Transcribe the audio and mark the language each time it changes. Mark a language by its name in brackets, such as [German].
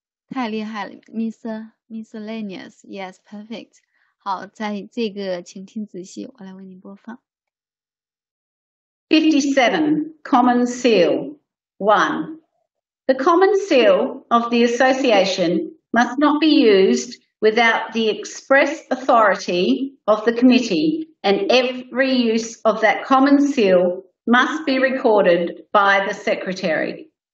[Chinese] 太厉害了 ， [English] Miscellaneous， yes， perfect。 [Chinese] 好，在这个，请听仔细，我来为你播放。 [English] 57 Common Seal 1 The common seal of the association must not be used without the express authority of the committee, and every use of that common seal must be recorded by the secretary.